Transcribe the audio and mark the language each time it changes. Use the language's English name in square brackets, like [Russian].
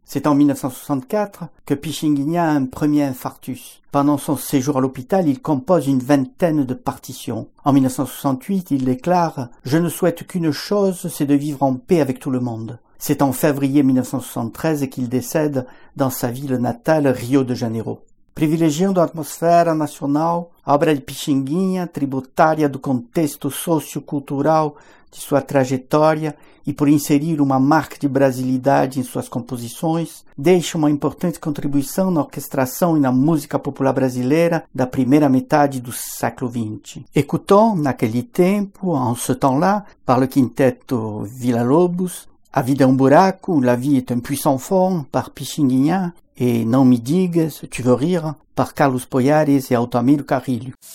[French] C'est en 1964 que Pixinguinha a un premier infarctus. Pendant son séjour à l'hôpital, il compose une vingtaine de partitions. En 1968, il déclare « Je ne souhaite qu'une chose, c'est de vivre en paix avec tout le monde ». C'est en février 1973 qu'il décède dans sa ville natale, Rio de Janeiro. [Portuguese] Privilegiando a atmosfera nacional, a obra de Pixinguinha, tributária do contexto sociocultural de sua trajetória e por inserir uma marca de brasilidade em suas composições, deixa uma importante contribuição na orquestração e na música popular brasileira da primeira metade do século XX. [French] Écoutons, naquele tempo, en ce temps-là, par le quinteto Villa-Lobos, A vida é buraco, La vie est un puissant fond, par Pixinguinha, et Não me digas, tu veux rire, par Carlos Poiares et Altamiro Carrilho.